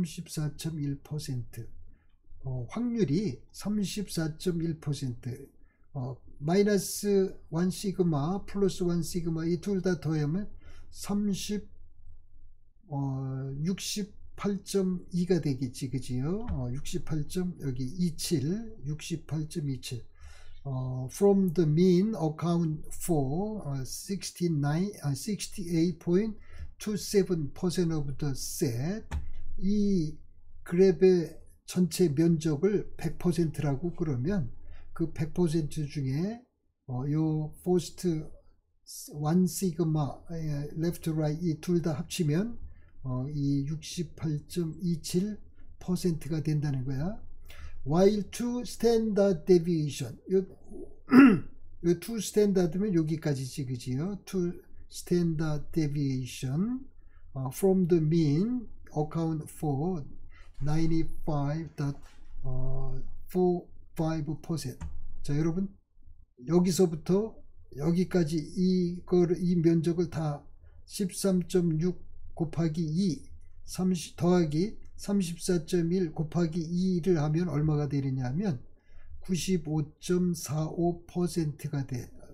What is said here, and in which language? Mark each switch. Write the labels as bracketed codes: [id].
[ko] 34.1% 확률이 34.1% 마이너스 1 시그마 플러스 1 시그마 이둘다 더하면 30 68.2가 되겠지, 그지요? 68. 여기 27, 68.27. [en] From the mean account for 68.27% of the set. [ko] 이 그래프의 전체 면적을 100%라고 그러면 그 100% 중에 요 [en] first 1 sigma left right [ko] 이 둘 다 합치면 이 68.27%가 된다는 거야. [en] While two standard deviation [ko] 요 [en] two standard [ko] 면 여기까지지, 그지요? [en] two standard deviation from the mean account for 95.45%. [ko] 자, 여러분 여기서부터 여기까지 이 면적을 다 13.6 곱하기 2, 30 더하기 34.1 곱하기 2를 하면 얼마가 되느냐 하면 95.45%가 돼.